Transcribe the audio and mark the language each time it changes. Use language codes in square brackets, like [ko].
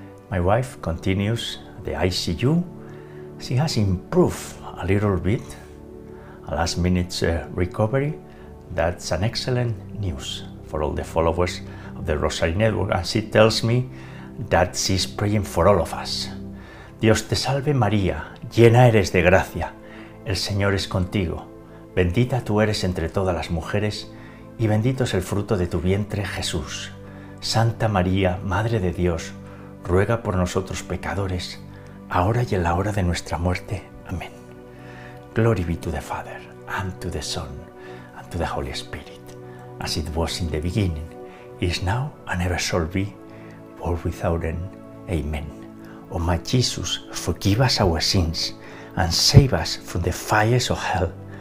[en] My wife continues the ICU. She has improved a little bit. A last minute recovery. That's an excellent news for all the followers of the Rosary Network. And she tells me that she's praying for all of us. [es] Dios te salve María, llena eres de gracia. El Señor es contigo. Bendita tú eres entre todas las mujeres y bendito es el fruto de tu vientre, Jesús. Santa María, Madre de Dios, ruega por nosotros pecadores, ahora y en la hora de nuestra muerte. Amén. [en] Glory be to the Father, and to the Son, and to the Holy Spirit, as it was in the beginning, is now, and ever shall be, world without end. Amen. O my Jesus, forgive us our sins, and save us from the fires of hell.